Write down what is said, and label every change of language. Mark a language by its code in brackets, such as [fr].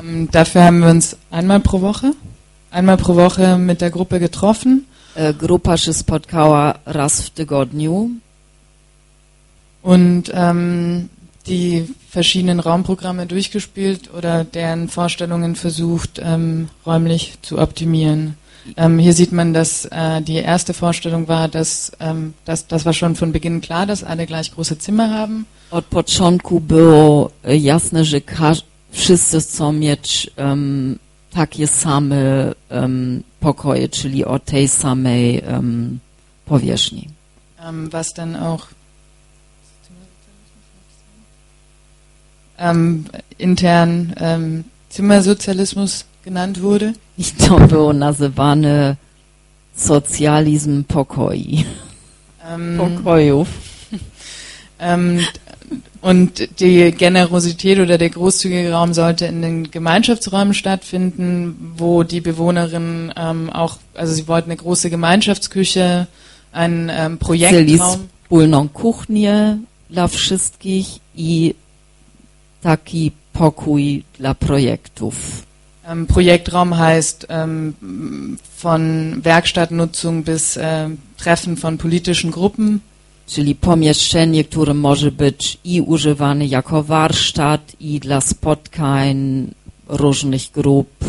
[de] Dafür haben wir uns einmal pro Woche mit der Gruppe getroffen. [pl] Grupa się spotkała raz w tygodniu. [de] Und die verschiedenen Raumprogramme durchgespielt oder deren Vorstellungen versucht, räumlich zu optimieren. Hier sieht man, dass die erste Vorstellung war, dass das war schon von Beginn klar, dass alle gleich große Zimmer haben. [pl] Od początku było jasne, że wszyscy chcą mieć takie same pokoje, czyli o tej samej powierzchni. [de] Was dann auch intern Zimmersozialismus genannt wurde. [pl] I to było nazywane socjalizm pokoi. Pokojów. [de] Und die Generosität oder der großzügige Raum sollte in den Gemeinschaftsräumen stattfinden, wo die Bewohnerinnen auch, also sie wollten eine große Gemeinschaftsküche, einen Projektraum. [pl] Chcieli wspólną kuchnię dla wszystkich i taki pokój dla projektów. [de] Projektraum heißt von Werkstattnutzung bis Treffen von politischen Gruppen. [pl] Czyli pomieszczenie, które może być i używane jako warsztat, i dla spotkań różnych grup.